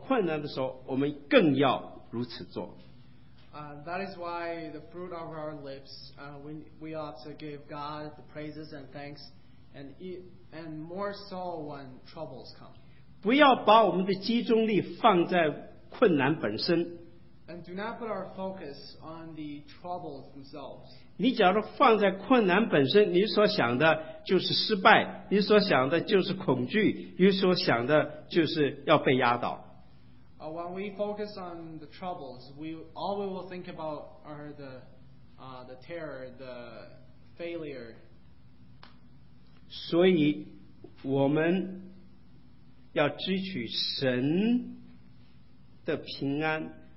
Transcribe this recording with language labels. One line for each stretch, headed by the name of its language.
Chinese: 造就嘴唇的果子，就是要用我们的嘴感谢神、赞美神，甚至于在危机来的时候、困难的时候，我们更要如此做。
English: That is why the fruit of our lips, we ought to give God the praises and thanks, and more so when troubles come.
Chinese: 不要把我们的集中力放在困难本身。
English: And do not put our focus on the troubles themselves.
Chinese: 你假如放在困难本身，你所想的就是失败，你所想的就是恐惧，你所想的就是要被压倒。
English: When we focus on the troubles, all we will think about are the terror, the failure.
Chinese: 所以我们要汲取神的平安。